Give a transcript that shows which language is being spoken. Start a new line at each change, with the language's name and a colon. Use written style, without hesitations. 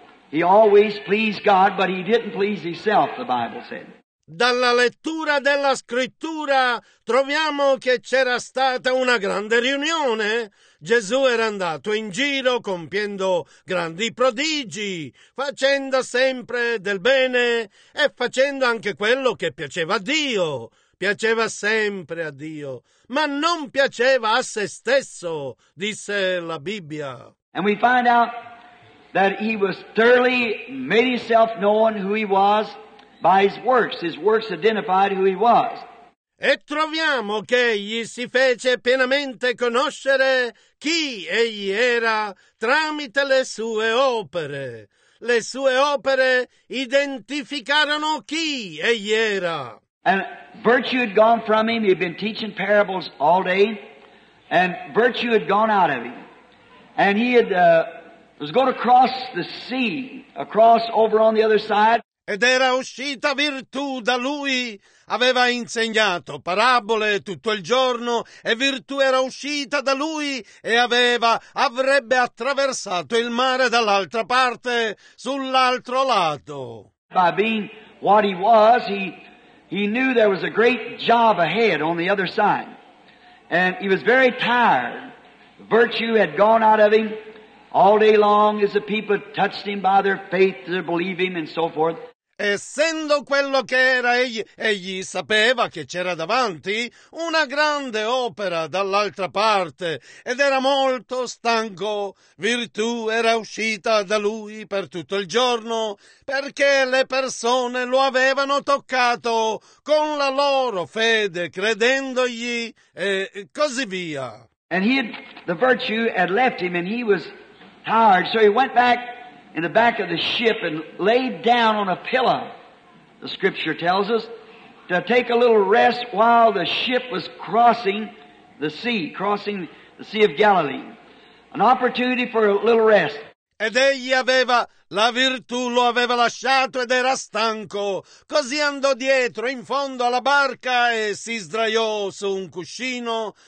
English: He always pleased God, but he didn't please himself, the Bible said.
Italian: Dalla lettura della scrittura troviamo che c'era stata una grande riunione. Gesù era andato in giro compiendo grandi prodigi, facendo sempre del bene e facendo anche quello che piaceva a Dio. Piaceva sempre a Dio, ma non piaceva a se stesso, disse la Bibbia.
English: And we find out that he was thoroughly made himself known who he was. By his works identified who he was.
Italian: E troviamo che egli si fece pienamente conoscere chi egli era tramite le sue opere. Le sue opere identificarono chi egli era.
English: And virtue had gone from him. He'd been teaching parables all day, and virtue had gone out of him. And he had was going across the sea, across over on the other side.
Italian: Ed era uscita virtù da lui, aveva insegnato parabole tutto il giorno e virtù era uscita da lui e avrebbe attraversato il mare dall'altra parte, sull'altro lato.
English: By being what he was, he knew there was a great job ahead on the other side. And he was very tired. Virtue had gone out of him all day long as the people touched him by their faith, their believing and so forth.
Italian: Essendo quello che era, egli sapeva che c'era davanti una grande opera dall'altra parte ed era molto stanco. Virtù era uscita da lui per tutto il giorno perché le persone lo avevano toccato con la loro fede, credendogli e così via.
English: And he had, the virtue had left him and he was tired, so he went back in the back of the ship and laid down on a pillow, the scripture tells us, to take a little rest while the ship was crossing the Sea of Galilee. An opportunity for a little rest.
Italian: Ed egli aveva, la virtù lo aveva lasciato ed era stanco. Così andò dietro in fondo alla barca e si sdraiò su un cuscino.